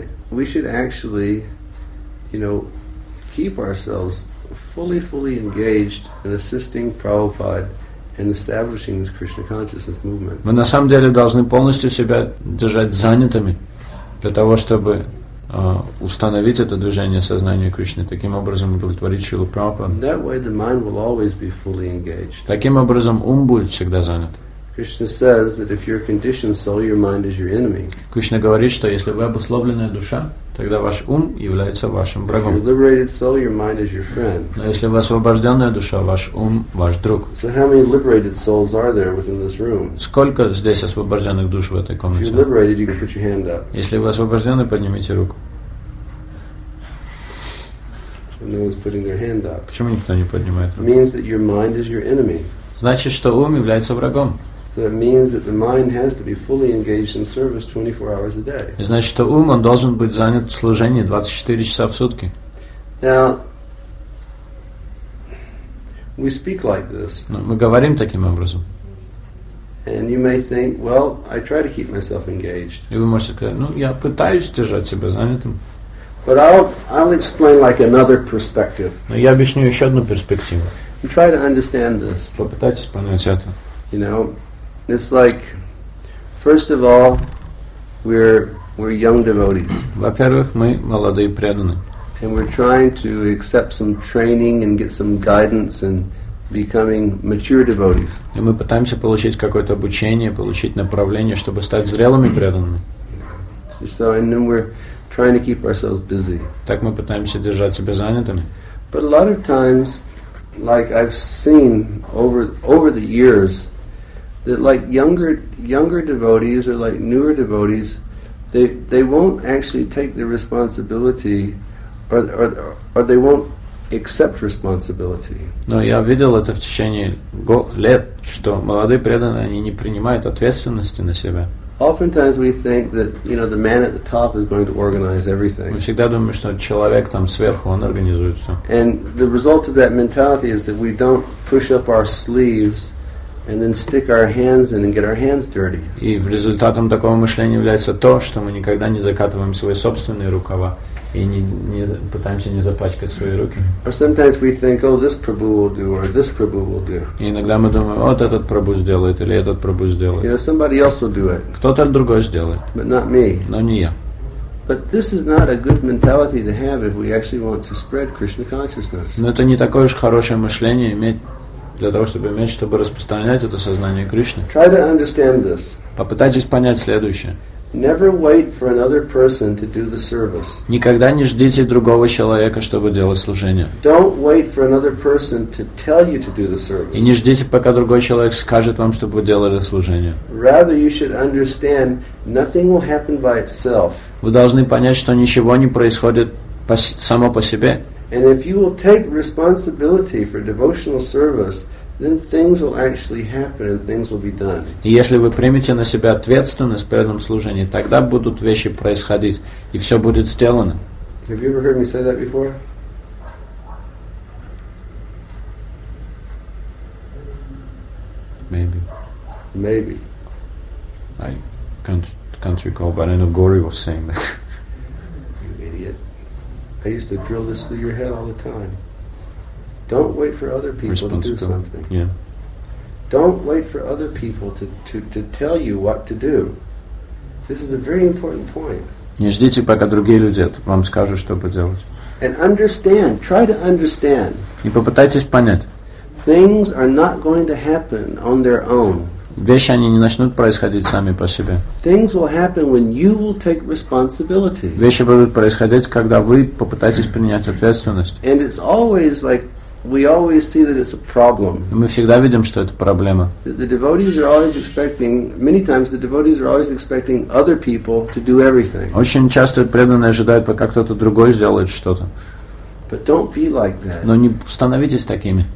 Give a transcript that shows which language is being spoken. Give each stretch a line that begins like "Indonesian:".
English: We should actually, you know, keep ourselves fully engaged in assisting Prabhupada in establishing this Krishna consciousness movement.
Russian: Мы на самом деле должны полностью себя держать занятыми для того, чтобы установить это движение сознания Кришны, таким образом удовлетворить Шрилу Прабхупаду.
English: That way the mind will always be fully engaged.
Russian: Таким образом ум будет всегда занят.
English: Krishna says that if you're a conditioned soul, your mind is your enemy.
Russian: Кришна говорит, что если вы обусловленная душа, тогда ваш ум является вашим врагом.
English: If you're a liberated soul, your mind is your friend.
Russian: Но если вы освобожденная душа, ваш ум ваш друг.
English: So how many liberated souls are there within this room?
Russian: Сколько здесь освобожденных душ в этой комнате?
English: If you're liberated, you can put your hand up.
Russian: Если вы освобожденный, поднимите руку.
English: No one's putting their hand up.
Russian: Почему никто не поднимает руку?
English: Means that your mind is your enemy.
Russian: Значит, что ум является врагом.
English: So it means that the mind has to be fully engaged in service 24 hours a day.
Russian: И значит, что ум он должен быть занят в служении 24 часа в сутки.
English: Now, we speak like this.
Russian: Но мы говорим таким образом.
English: And you may think, well, I try to keep myself engaged.
Russian: И вы можете сказать, ну я пытаюсь держать себя занятым.
English: But I'll explain like another perspective.
Russian: Но я объясню еще одну перспективу.
English: And try to understand this.
Russian: Попытайтесь понять это.
English: You know. It's like, first of all, we're young devotees.
Russian: Во-первых, мы молодые преданные.
English: And we're trying to accept some training and get some guidance and becoming mature devotees.
Russian: И мы пытаемся получить какое-то обучение, получить направление, чтобы стать зрелыми преданными.
English: So and then we're trying to keep ourselves busy.
Russian: Так мы пытаемся держать себя занятыми.
English: But a lot of times, like I've seen over the years. That like younger devotees or like newer devotees, they won't actually take the responsibility, or they won't accept responsibility.
Russian: Но я видел это в течение лет, что молодые преданные они не принимают ответственности на себя.
English: Oftentimes we think that you know the man at the top is going to organize everything.
Russian: Мы всегда думаем, что человек там сверху он организует все.
English: And the result of that mentality is that we don't push up our sleeves and then stick our hands in and get our hands dirty.
Russian: И результатом такого мышления является то, что мы никогда не закатываем свои собственные рукава и не пытаемся не запачкать свои руки.
English: Or sometimes we think, oh, this Prabhu will do, or this Prabhu will do.
Russian: И иногда мы думаем, вот этот Прабху сделает или этот Прабху сделает.
English: You know, somebody else will do it.
Russian: Кто-то другой сделает.
English: But not me.
Russian: Но не я.
English: But this is not a good mentality to have if we actually want to spread Krishna consciousness.
Russian: Но это не такое уж хорошее мышление иметь, чтобы распространять это сознание Кришны.
English: Try to understand this.
Russian: Попытайтесь понять следующее.
English: Never wait for another person to do the service.
Russian: Никогда не ждите другого человека, чтобы делать служение.
English: Don't wait for another person to tell you to do the service.
Russian: И не ждите, пока другой человек скажет вам, чтобы вы делали служение.
English: Rather, you should understand nothing will happen by itself.
Russian: Вы должны понять, что ничего не происходит само по себе.
English: And if you will take responsibility for devotional service, then things will actually happen and things will be done.
Russian: И если вы примете на себя ответственность в преданном служении, тогда будут вещи происходить, и все будет сделано.
English: Have you ever heard me say that before? Maybe. Maybe. I can't recall, but I know Gauri was saying that. You idiot. I used to drill this through your head all the time. Don't wait for other people to do something. Yeah. Don't wait for other people to tell you what to do. This is a very important point.
Russian: Не ждите, пока другие люди вам скажут, что поделать.
English: And understand. Try to understand.
Russian: И попытайтесь понять.
English: Things are not going to happen on their own.
Russian: Вещи они не начнут происходить сами по себе.
English: Things will happen when you will take responsibility.
Russian: Вещи будут происходить, когда вы попытаетесь принять ответственность.
English: And it's always like we always see that it's a problem.
Russian: Мы всегда видим, что это проблема.
English: The devotees are always expecting. Many times the devotees are always expecting other people to do everything.
Russian: Очень часто преданные ожидают, пока кто-то другой сделает что-то.
English: But don't be like that.
Russian: Но не становитесь такими.